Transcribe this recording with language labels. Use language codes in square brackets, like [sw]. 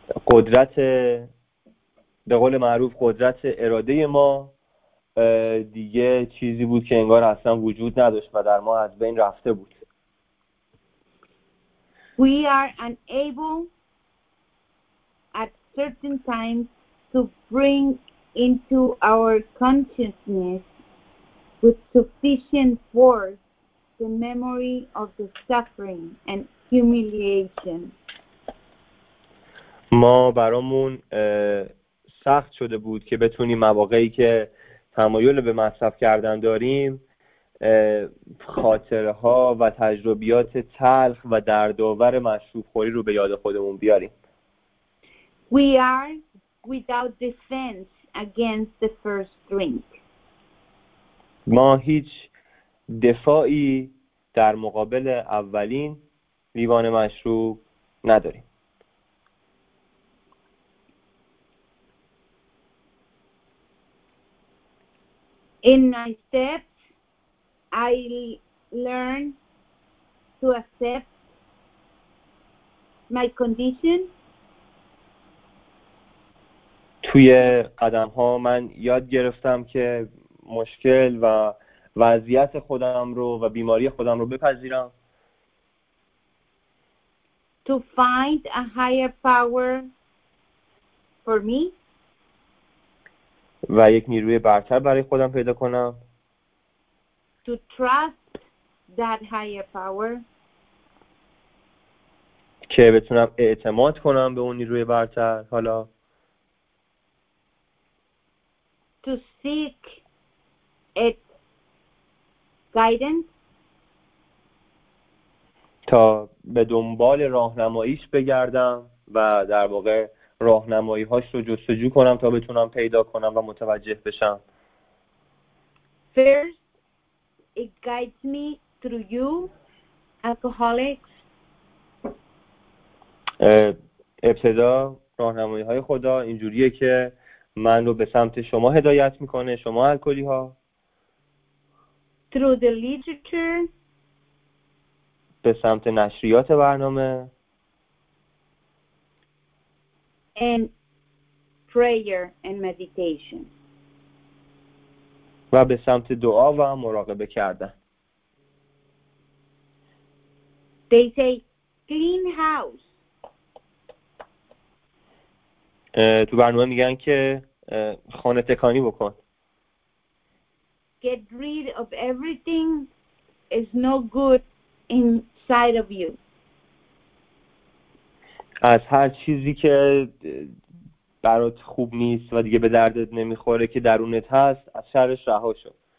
[fa] قدرت به قول معروف قدرت اراده ما دیگه چیزی بود که انگار اصلا وجود نداشت و در ما از بین رفته بود. [en] We are unable at certain times to bring into our consciousness with sufficient force the memory of the suffering and humiliation. [fa] ما برامون سخت شده بود که بتونیم مواقعی که تمایل به مصرف کردن داریم خاطره ها و تجربیات تلخ و دردآور مشروب خوری رو به یاد خودمون بیاریم. [en] We are without defense against the first drink. [fa] ما هیچ دفاعی در مقابل اولین لیوان مشروب نداریم. [en] In my steps I learn to accept my condition. [fa] توی قدم ها من یاد گرفتم که مشکل و وضعیت خودم رو و بیماری خودم رو بپذیرم. [en] To find a higher power for me. [fa] و یک نیروی برتر برای خودم پیدا کنم. [en] To trust that higher power. [fa] که بتونم اعتماد کنم به اون نیروی برتر حالا. [en] To seek its guidance. [fa] تا به دنبال راهنماییش بگردم و در واقع راهنمایی‌هاش رو جستجو کنم تا بتونم پیدا کنم و متوجه بشم. [en] First, it guides me through you, alcoholics. [fa] ابتدا راهنمایی های خدا اینجوریه که من رو به سمت شما هدایت میکنه، شما الکلی ها. [en] Through the literature. [fa] به سمت نشریات برنامه. [en] And prayer and meditation. [fa] و به سمت دعا و مراقبه کردن. [en] They say clean house. [fa] تو برنامه میگن که خانه تکانی بکن. [en] Get rid of everything is no good inside of you. [fa] از هر چیزی که برات خوب نیست و دیگه به دردت نمیخوره که درونت هست از شرش رها شو.